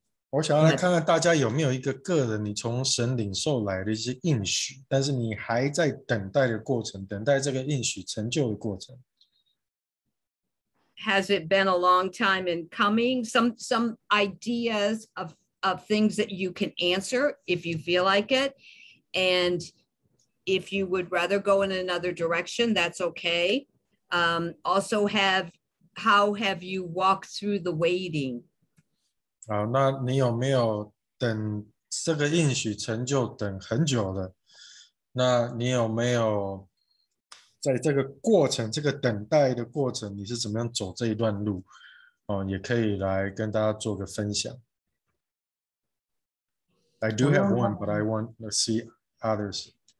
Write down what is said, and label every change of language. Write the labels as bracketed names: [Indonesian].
[Chinese] 我想要来看看大家有没有一个个人你从神领受来的一些应许，但是你还在等待的过程，等待这个应许成就的过程。 [English] Has it been a long time in coming? Some ideas of things that you can answer if you feel like it. And if you would rather go in another direction, that's okay. Also how have you walked through the waiting? [Chinese] 好，那你有没有等这个应许成就等很久了？那你有没有在这个过程，这个等待的过程，你是怎么样走这一段路？哦，也可以来跟大家做个分享。 [English] I do have one, but I want to see others.